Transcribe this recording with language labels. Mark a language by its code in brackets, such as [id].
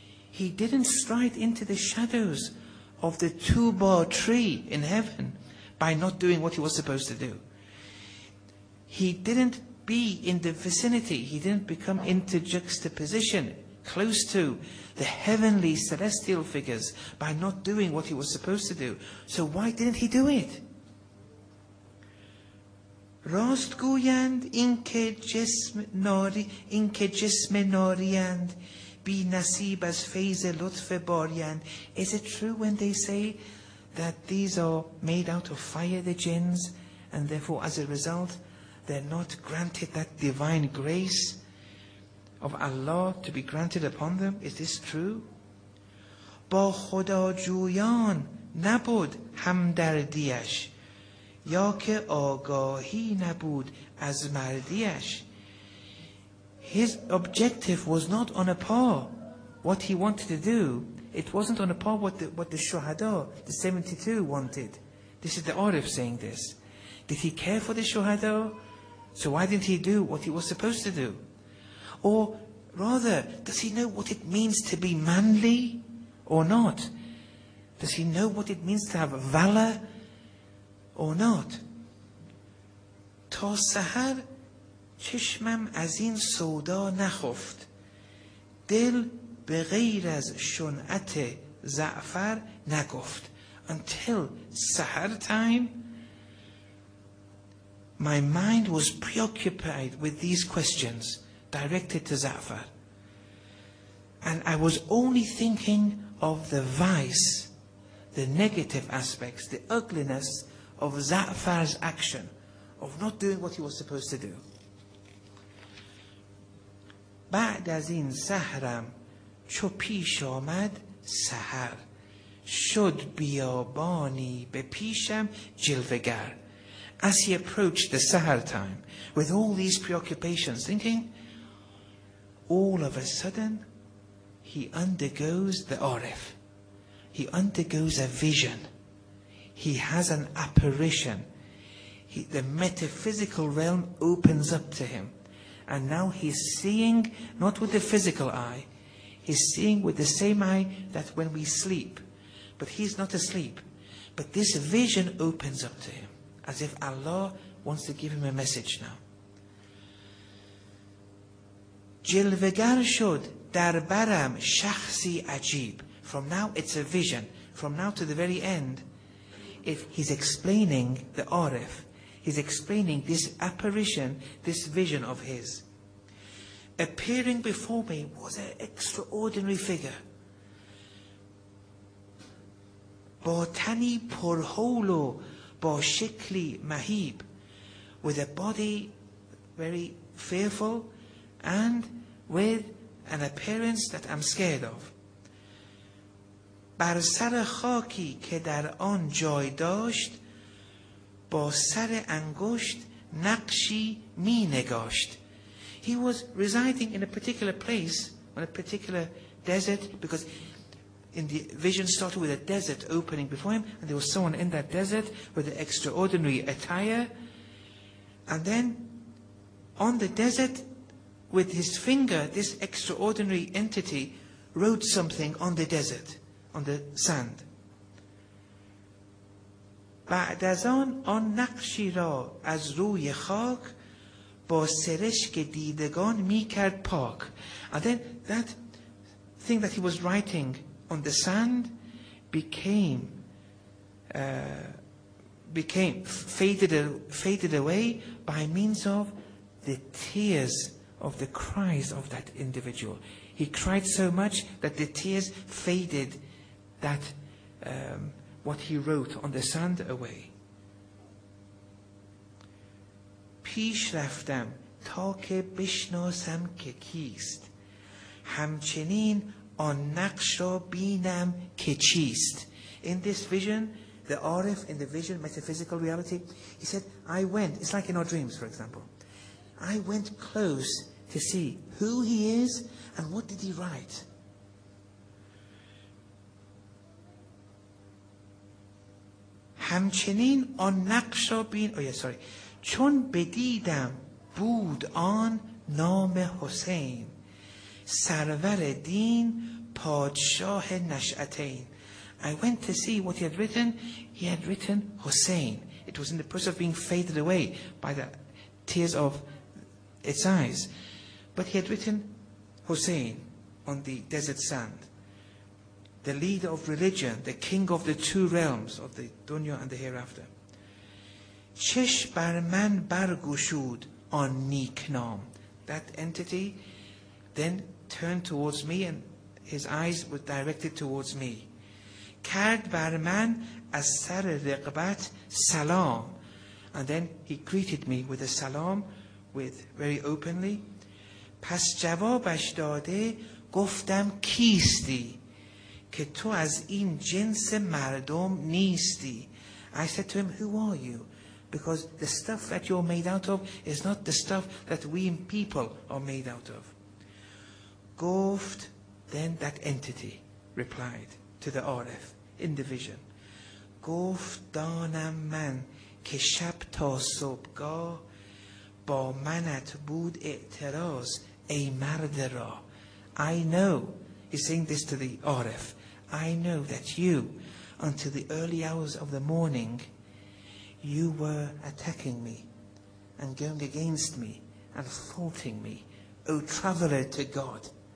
[en] He didn't stride into the shadows of the Tuba tree in heaven by not doing what he was supposed to do. He didn't be in the vicinity. He didn't become into juxtaposition, close to the heavenly celestial figures by not doing what he was supposed to do. So why didn't he do it? [fa] راست گویند این که جسم ناریند بی نصیب از فیض لطف باریند. [en] Is it true when they say that these are made out of fire, the jinns, and therefore as a result they're not granted that divine grace of Allah to be granted upon them? Is this true? [fa] با خدا جویان نبود همدردیش یا که آگاهی نبود از مردیش. [en] His objective was not on a par what he wanted to do. It wasn't on a par what the shuhada, the 72, wanted. This is the Arif saying this. Did he care for the shuhada? So why didn't he do what he was supposed to do? Or rather, does he know what it means to be manly or not? Does he know what it means to have valor or not? [fa] Tosahar چشمم از این سودا نخفت، دل به غیر از شنعت زعفر نگفت. [en] Until sahar time, my mind was preoccupied with these questions directed to Za'far, and I was only thinking of the vice, the negative aspects, the ugliness of Za'far's action of not doing what he was supposed to do. [fa] بعد از این سحرم چو پیش آمد سحر، شد بیابانی به پیشم جلوگر. [en] As he approached the sahar time with all these preoccupations, thinking, all of a sudden he undergoes the arif. He undergoes a vision. He has an apparition. The metaphysical realm opens up to him. And now he's seeing, not with the physical eye, he's seeing with the same eye that when we sleep. But he's not asleep. But this vision opens up to him, as if Allah wants to give him a message now. [fa] جلوگرشد در برم شخصی عجیب. [en] From now it's a vision. From now to the very end, if he's explaining the Arif, he's explaining this apparition, this vision of his. Appearing before me was an extraordinary figure. [fa] با تنی پرهول و با شکلی مهیب, [en] with a body very fearful and with an appearance that I'm scared of. [fa] بر سر خاکی که در آن جای داشت با سر انگشت نقشی می نگاشت. [en] He was residing in a particular place, on a particular desert, because in the vision started with a desert opening before him, and there was someone in that desert with an extraordinary attire. And then on the desert, with his finger, this extraordinary entity wrote something on the desert, on the sand. [fa] بعد از آن آن نقشی را از روی خاک با سرشک دیدگان می کرد پاک. [en] And then that thing that he was writing on the sand became faded away by means of the tears of the cries of that individual. He cried so much that the tears faded that what he wrote on the sand away. [fa] پیش رفتم تا که بشناسم که کیست, همچنین آن نقش را بینم که چیست. [en] In this vision, the Arif, in the vision, metaphysical reality, he said, I went, it's like in our dreams, for example, I went close to see who he is and what did he write. [fa] همچنین آن نقش را بین, چون بدیدم بود آن نام حسین, سرور دین پادشاه نشعتین. [en] I went to see what he had written Hussein. It was in the process of being faded away by the tears of its eyes, but he had written Hussein on the desert sand, the leader of religion, the king of the two realms, of the dunya and the hereafter. [fa] چش بر من برگشود آن نیک نام. [en] That entity then turned towards me and his eyes were directed towards me. کرد بر من از سر رقبت سلام. And then he greeted me with a salam, with very openly. [fa] پس جوابش داده گفتم کیستی که تو از این جنس مردم نیستی. [en] I said to him, who are you? Because the stuff that you're made out of is not the stuff that we people are made out of. گفت, then that entity replied to the Arif in the vision. [fa] گفت دانم من که شب تا صبحگاه با منت بود اعتراض ای مرد را. [en] I know, he's saying this to the Arif, I know that you, until the early hours of the morning, you were attacking me and going against me and faulting me, O traveler to God.